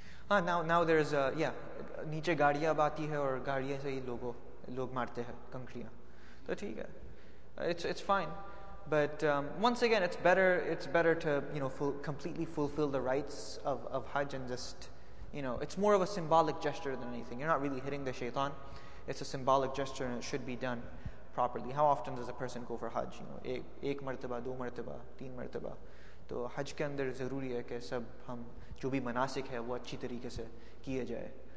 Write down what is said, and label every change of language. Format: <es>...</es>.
<en>ہاں now there is</en> <ur>نیچے گاڑیاں باتی ہے اور گاڑیاں سے ہی لوگ مارتے ہیں کنکڑیاں تو ٹھیک ہے</ur> <en>it's fine But once again, it's better to, you know, completely fulfill the rites of Hajj and just, you know, it's more of a symbolic gesture than anything. You're not really hitting the shaitan. It's a symbolic gesture and it should be done properly. How often does a person go for Hajj? You know,</en> <ur>ایک مرتبہ، دو مرتبہ، تین مرتبہ۔ تو حج کے اندر ضروری ہے کہ سب ہم جو بھی مناسک ہے وہ اچھی طریقے سے کیا جائے۔</ur>